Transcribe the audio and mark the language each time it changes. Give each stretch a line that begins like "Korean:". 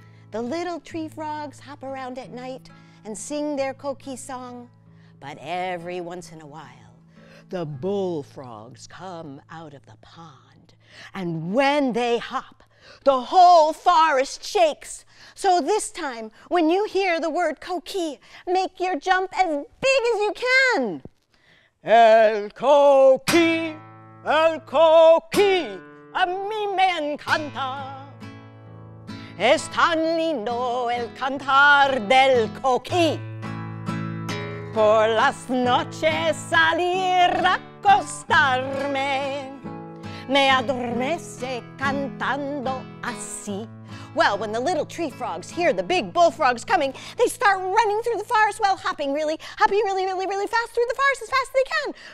English: The little tree frogs hop around at night and sing their koki song, but every once in a while, the bullfrogs come out of the pond. And when they hop, the whole forest shakes. So this time, when you hear the word koki, make your jump as big as you can.
Spanish: El koki, el koki, a mi me encanta. Es tan lindo el cantar del coqui. Por las noches salir a acostarme, me adormece cantando así.
English: Well, when the little tree frogs hear the big bullfrogs coming, they start running through the forest, well, hopping really, hopping really, really, really fast through the forest as fast as they can.